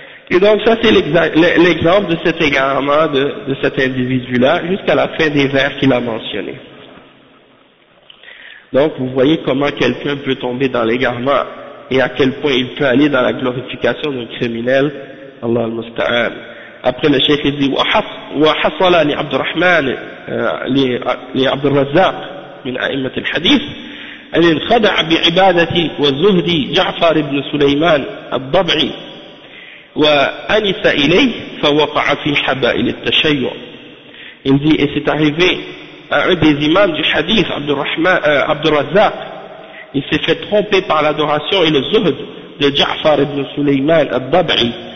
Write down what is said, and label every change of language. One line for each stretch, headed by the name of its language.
French: Et donc ça c'est l'exemple de cet égarement de cet individu-là jusqu'à la fin des vers qu'il a mentionnés. Donc vous voyez comment quelqu'un peut tomber dans l'égarement et à quel point il peut aller dans la glorification d'un criminel, Allah al-Musta'an. Après le Cheikh dit
Arabic: وحصل لعبد الرحمن لعبد الرزاق من أئمة الحديث أن انخدع بعبادة والزهد جعفر بن سليمان الضبعي وأنس إليه فوقع في حبائل التشيع.
French: Il dit, et c'est arrivé à un des imams du hadith, عبد الرزاق, il s'est fait tromper par l'adoration et le zuhd de جعفر بن سليمان الضبعي.